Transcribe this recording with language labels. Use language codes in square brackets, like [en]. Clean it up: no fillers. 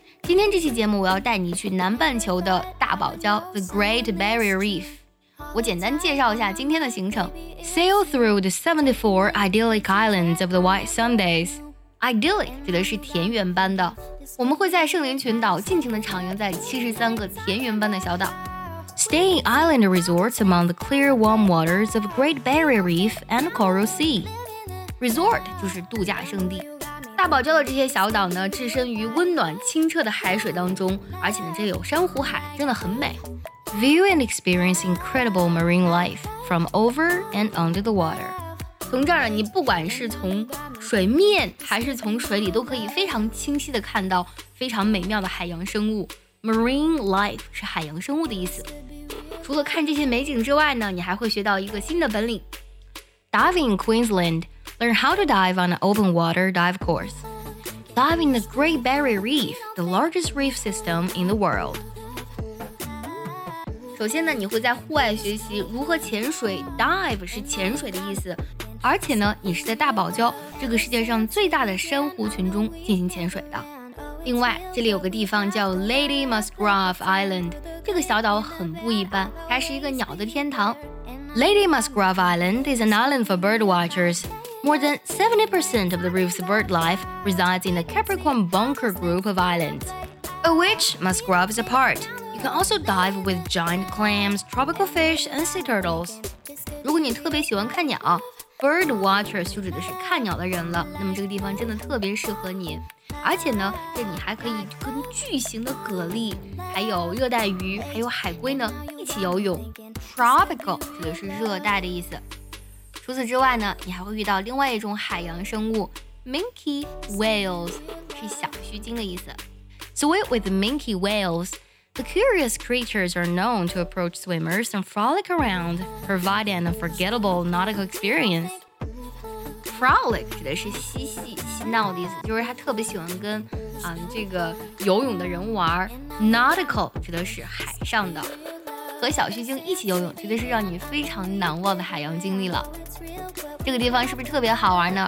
[zh] 今天这期节目，我要带你去南半球的大堡礁 ，The Great Barrier Reef。我简单介绍一下今天的行程 [en] ：Sail through the 74 idyllic islands of the White Sundays。 [zh] Idyllic 指的是田园般的，我们会在圣灵群岛尽情地徜徉在73个田园般的小岛。 [en] Stay in island resorts among the clear warm waters of Great Barrier Reef and Coral Sea. [zh] Resort 就是度假胜地。大堡礁的这些小岛呢，置身于温暖清澈的海水当中，而且呢，这有珊瑚海，真的很美。 [en] View and experience incredible marine life from over and under the water. [zh] 从这儿呢，你不管是从水面还是从水里，都可以非常清晰地看到非常美妙的海洋生物。 Marine life 是海洋生物的意思。除了看这些美景之外呢，你还会学到一个新的本领。 [en] Diving in Queensland, learn how to dive on an open water dive course. Diving the Great Barrier Reef, the largest reef system in the world. [zh] 首先呢，你会在户外学习如何潜水。Dive 是潜水的意思，而且呢，你是在大堡礁这个世界上最大的珊瑚群中进行潜水的。另外，这里有个地方叫 Lady Musgrave Island， 这个小岛很不一般，它是一个鸟的天堂。 [en] Lady Musgrave Island is an island for bird watchers. More than 70% of the reef's bird life resides in the Capricorn Bunker group of islands, of which Musgrave is a part. You can also dive with giant clams, tropical fish, and sea turtles. [zh] 如果你特别喜欢看鸟 ，bird watchers 就指的是看鸟的人了。那么这个地方真的特别适合你。而且呢，这你还可以跟巨型的蛤蜊、还有热带鱼、还有海龟呢一起游泳。 Tropical 指的是热带的意思。除此之外呢，你还会遇到另外一种海洋生物 ，minke whales， 是小须鲸的意思。 [en] Swim with minke whales. The curious creatures are known to approach swimmers and frolic around, providing an unforgettable nautical experience. [zh] Frolic 指的是嬉戏、嬉闹的意思，就是他特别喜欢跟这个游泳的人玩。 Nautical 指的是海上的，和小须鲸一起游泳，绝对是让你非常难忘的海洋经历了。这个地方是不是特别好玩呢？